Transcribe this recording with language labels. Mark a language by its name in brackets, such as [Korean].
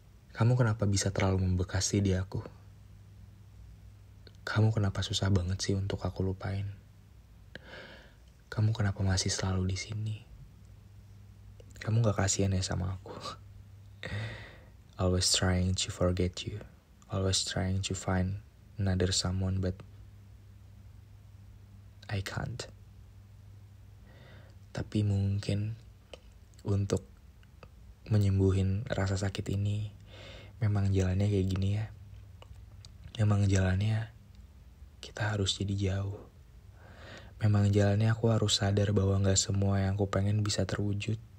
[Indonesian] Kamu kenapa bisa terlalu membekasi di aku? Kamu kenapa susah banget sih untuk aku lupain? Kamu kenapa masih selalu di sini? Kamu gak kasihan ya sama aku? [English] Always trying to forget you. Always trying to find another someone, but I can't. [Indonesian] Tapi mungkin untuk menyembuhin rasa sakit ini, memang jalannya kayak gini ya. Memang jalannya kita harus jadi jauh. Memang jalannya aku harus sadar bahwa gak semua yang aku pengen bisa terwujud.